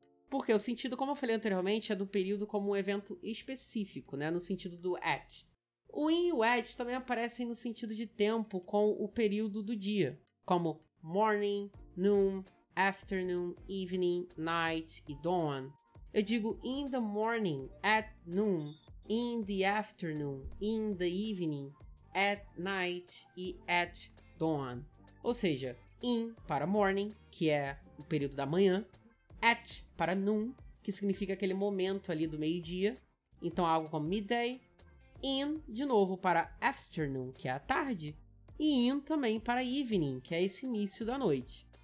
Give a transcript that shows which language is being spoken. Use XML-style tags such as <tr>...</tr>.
<pt>Porque o sentido, como eu falei anteriormente, é do período como um evento específico, né? No sentido do at. O in e o at também aparecem no sentido de tempo com o período do dia, como morning, noon, afternoon, evening, night e dawn. Eu digo</pt> <en>in the morning, at noon, in the afternoon, in the evening, at night e at dawn.</en> <pt>Ou seja, in para morning, que é o período da manhã, at para noon, que significa aquele momento ali do meio-dia, então algo como midday, in de novo para afternoon, que é a tarde, e in também para evening, que é esse início da noite.</pt>